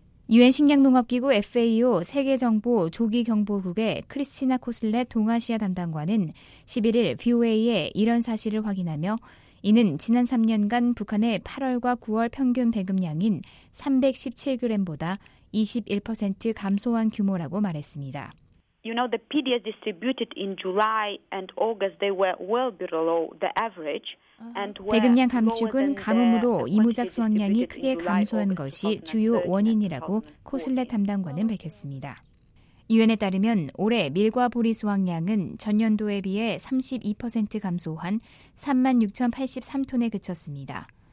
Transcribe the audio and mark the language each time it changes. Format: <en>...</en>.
<ko>유엔 식량농업기구 FAO 세계정보 조기경보국의 크리스티나 코슬레 동아시아 담당관은 11일 VOA에 이런 사실을 확인하며 이는 지난 3년간 북한의 8월과 9월 평균 배급량인 317g보다 21% 감소한 규모라고 말했습니다.</ko> <en>You know, the PDS distributed in July and August, they were well below the average.</en> <ko>배급량 감축은 가뭄으로 이무작 수확량이 크게 감소한 것이 주요 원인이라고 코슬레 담당관은 밝혔습니다. 유엔에 따르면 올해 밀과 보리 수확량은 전년도에 비해 32% 감소한 3만 6,083톤에 그쳤습니다.</ko>